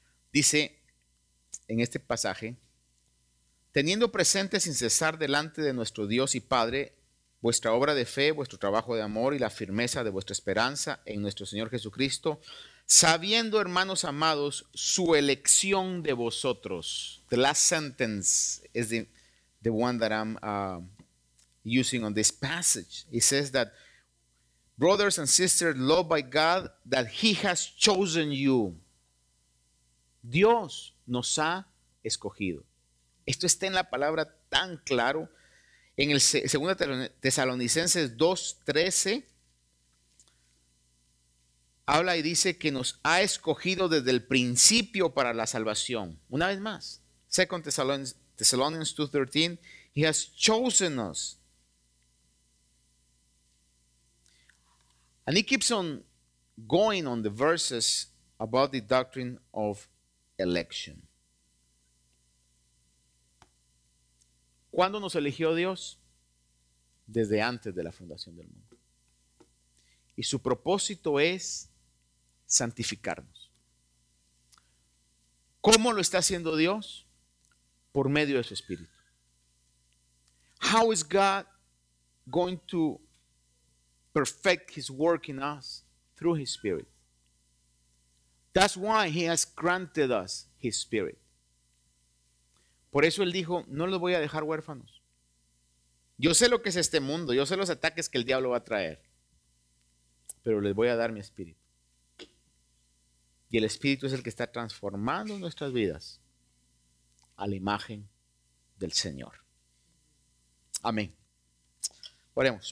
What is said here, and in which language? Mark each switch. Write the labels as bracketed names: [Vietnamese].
[Spanish] Dice en este pasaje, teniendo presente sin cesar delante de nuestro Dios y Padre vuestra obra de fe, vuestro trabajo de amor y la firmeza de vuestra esperanza en nuestro Señor Jesucristo, sabiendo, hermanos amados, su elección de vosotros. [English] The last sentence is the one that I'm using on this passage. It says that, brothers and sisters, loved by God, that he has chosen you. [Spanish] Dios nos ha escogido. Esto está en la palabra tan claro. En el 2 Tesalonicenses 2:13. Habla y dice que nos ha escogido desde el principio para la salvación. Una vez más, [English] 2 Thessalonians 2:13, he has chosen us. And he keeps on going on the verses about the doctrine of election. [Spanish] ¿Cuándo nos eligió Dios? Desde antes de la fundación del mundo. Y su propósito es santificarnos. ¿Cómo lo está haciendo Dios? Por medio de su Espíritu. [English] How is God going to perfect his work in us? Through his Spirit. That's why he has granted us his Spirit. [Spanish] Por eso él dijo, no los voy a dejar huérfanos. Yo sé lo que es este mundo, yo sé los ataques que el diablo va a traer, pero les voy a dar mi Espíritu. Y el Espíritu es el que está transformando nuestras vidas a la imagen del Señor. Amén. Oremos.